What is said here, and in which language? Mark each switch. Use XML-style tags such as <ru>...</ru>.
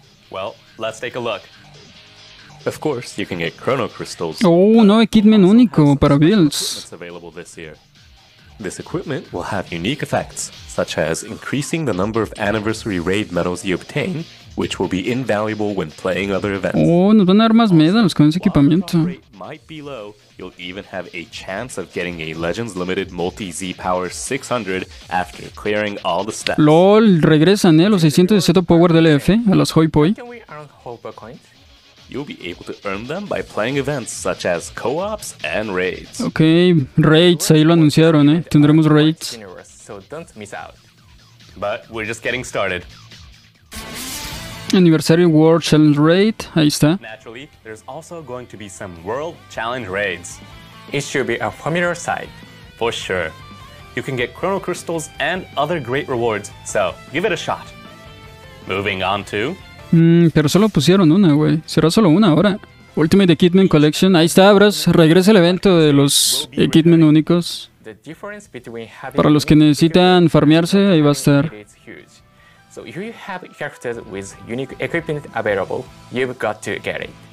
<en>Well, let's take a look. Of course, you can get Chrono Crystals.</en> <es>Oh, no, equipment único para builds.</es> <en>This equipment will have unique effects, such as increasing the number of anniversary raid medals you obtain, which will be invaluable when playing other events.</en> <es>Oh, nos van a dar más medals con ese equipamiento.</es> <en>While the rate might be low, you'll even have a chance of getting a Legends Limited Multi-Z Power 600 after clearing all the steps.</en> <es>LOL, regresan, los 600 de Z Power del EF a los Hoi Poi.</es> <en>Can we earn Hoi Poi? You'll be able to earn them by playing events such as co-ops and raids.</en> <es>Okay, raids, ahí lo anunciaron, ¿eh? Tendremos raids.</es> <en>so don't miss out. But we're just getting started.</en> <es>Anniversary World Challenge Raid, ahí está.</es> <en>Naturally, there's also going to be some World Challenge Raids. It should be a familiar sight, for sure. You can get Chrono Crystals and other great rewards, so give it a shot. Moving on to...</en> <es>Pero solo pusieron una, güey. Será solo una ahora. Ultimate Kidman Collection, ahí está, bros. Regresa el evento de los Kidman únicos. Para los que necesitan farmearse, ahí va a estar.</es> <en>So if you have characters with unique equipment available, you've got to get it.</en>